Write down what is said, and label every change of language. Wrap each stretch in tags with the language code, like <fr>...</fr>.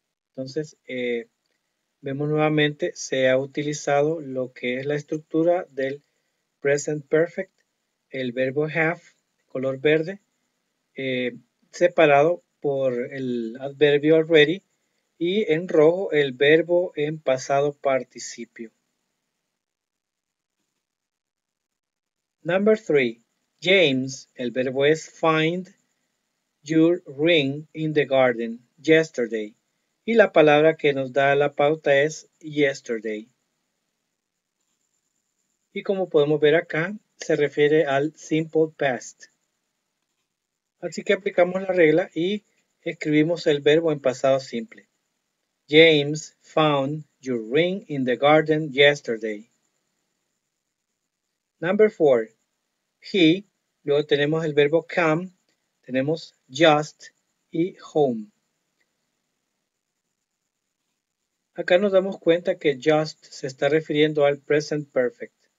<es>Entonces, vemos nuevamente, se ha utilizado lo que es la estructura del present perfect, el verbo have, color verde, separado por el adverbio already, y en rojo el verbo en pasado participio.</es> <en>Number three, James,</en> <es>el verbo es</es> <en>find your ring in the garden yesterday.</en> <es>Y la palabra que nos da la pauta es yesterday. Y como podemos ver acá, se refiere al simple past. Así que aplicamos la regla y escribimos el verbo en pasado simple.</es> <en>James found your ring in the garden yesterday. Number four.</en> <es>He, luego tenemos el verbo come, tenemos just y home. Acá nos damos cuenta que just se está refiriendo al present perfect.</es>